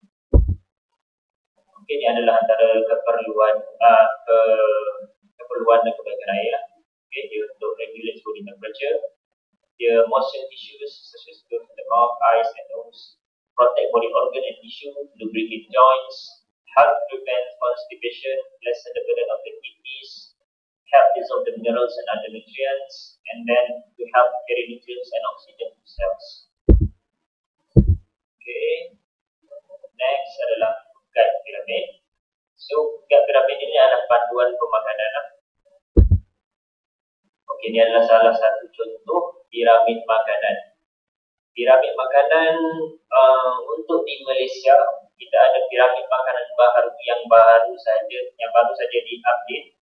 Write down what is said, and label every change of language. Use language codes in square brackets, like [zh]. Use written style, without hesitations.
[ms] Okay, ini adalah antara keperluan dan kebaikan air lah. [en] Okay, [ms] dia untuk [en] regulate body temperature, dia motion tissues such as the mouth, eyes and nose, protect body organ and tissue, lubricate joints, help prevent constipation, lessen the burden of the kidneys, help dissolve the minerals and other nutrients, and then to help carry nutrients and oxygen to cells. [ms] Okay, next adalah guide pyramid. So guide pyramid ini adalah panduan pemakanan. Okay, ini adalah salah satu contoh piramid makanan. Piramid makanan untuk di Malaysia, kita ada piramid makanan yang baru saja di update.